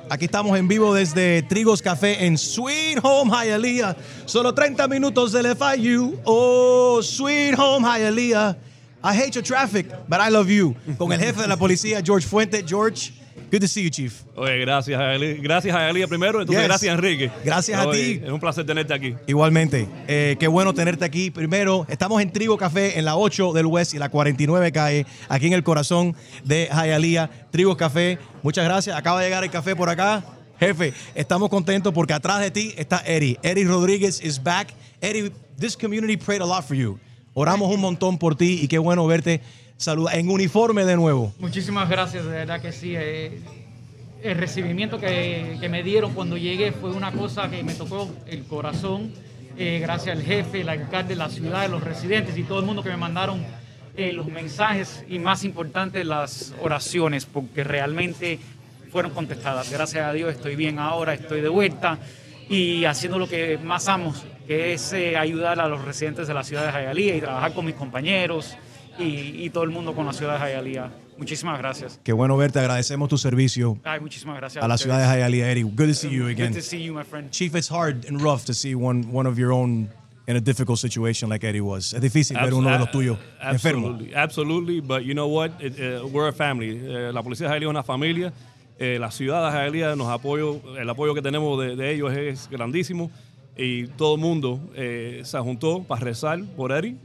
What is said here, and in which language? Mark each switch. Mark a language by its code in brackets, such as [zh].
[es] Aquí estamos en vivo desde Trigos Café en Sweet Home Hialeah. Solo 30 minutos del FIU. Oh, Sweet Home Hialeah. [en] I hate your traffic, but I love you. [es] Con el jefe de la policía, George Fuente. [en] George. Good to see you, Chief. [es] Oye, gracias, Hialeah. Gracias, Hialeah, primero. Entonces, yes. Gracias, Enrique. Gracias a ti. Es un placer tenerte aquí. Igualmente. Qué bueno tenerte aquí. Primero, estamos en Trigo Café, en la 8 del West y la 49 calle, aquí en el corazón de Hialeah. Trigo Café, muchas gracias. Acaba de llegar el café por acá. Jefe, estamos contentos porque atrás de ti está Eddie. [en] Eddie Rodriguez is back. Eddie, this community prayed a lot for you. [es] Oramos un montón por ti y qué bueno verte. Saluda en uniforme de nuevo. Muchísimas gracias, de verdad que sí. El recibimiento que me dieron cuando llegué fue una cosa que me tocó el corazón. Gracias al jefe, el alcalde, la ciudad, los residentes y todo el mundo que me mandaron los mensajes y, más importante, las oraciones, porque realmente fueron contestadas. Gracias a Dios estoy bien ahora, estoy de vuelta y haciendo lo que más amo, que es ayudar a los residentes de la ciudad de Hialeah y trabajar con mis compañeros. Y todo el mundo con la ciudad de Hialeah. Muchísimas gracias. Qué bueno verte. Agradecemos tu servicio. Ay, muchísimas gracias. A la ciudad de Hialeah, Eddie. [en] Good to see you again. Good to see you, my friend. Chief, it's hard and rough to see one of your own in a difficult situation like Eddie was. [es] Es difícil ver uno de los tuyos enfermo. [en] Absolutely, but you know what? We're a family. [es] La policía de Hialeah es una familia. La ciudad de Hialeah nos apoya. El apoyo que tenemos de ellos es grandísimo. Y todo el mundo se juntó para rezar por Eddie.